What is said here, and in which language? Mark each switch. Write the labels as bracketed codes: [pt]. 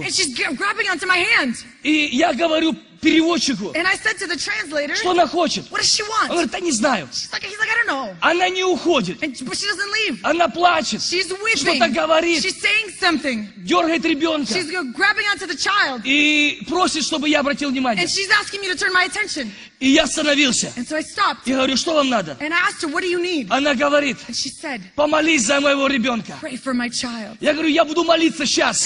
[en] And she's grabbing onto my hand. [ru] И я говорю, переводчику. [en] And I said to the translator, [ru] что она хочет? [en] What does she want? [ru] Он говорит, да не знаю. [en] He's like, I don't know. [ru] Она не уходит. [en] And, but she doesn't leave. [ru] Она плачет. [en] She's weeping. [ru] Что-то говорит. [en] She's saying something. [ru] Дергает ребенка. [en] She's grabbing onto the child. [ru] И просит, чтобы я обратил внимание. [en] And she's asking me to turn my attention. [ru] И я остановился. [en] And so I stopped. [ru] И говорю, что вам надо? [en] And I asked her, what do you need? [ru] Она говорит, [en] and she said, [ru] помолись за моего ребенка. [en] Pray for my child. [ru] Я говорю, я буду молиться сейчас.